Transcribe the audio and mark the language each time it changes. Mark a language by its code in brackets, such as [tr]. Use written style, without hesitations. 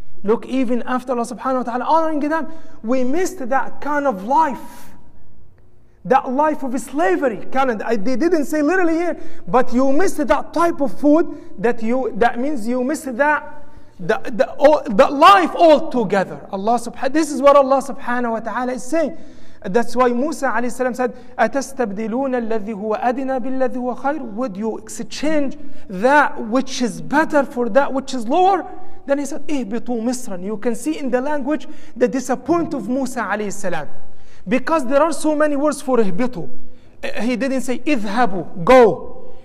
[en] Look, even after Allah subhanahu wa ta'ala honoring them, we missed that kind of life. That life of slavery. They didn't say literally here, but you missed that type of food, that means you missed that. The life altogether. Allah this is what Allah subhanahu wa ta'ala is saying. That's why Musa alayhi salam said, [ar] أتستبدلون الذي هو أدنى بالذي هو خير? [en] Would you exchange that which is better for that which is lower? Then he said, [ar] اهبطوا مصرا. [en] You can see in the language the disappointment of Musa alayhi salam. Because there are so many words for اهبطوا. He didn't say اذهبوا, go.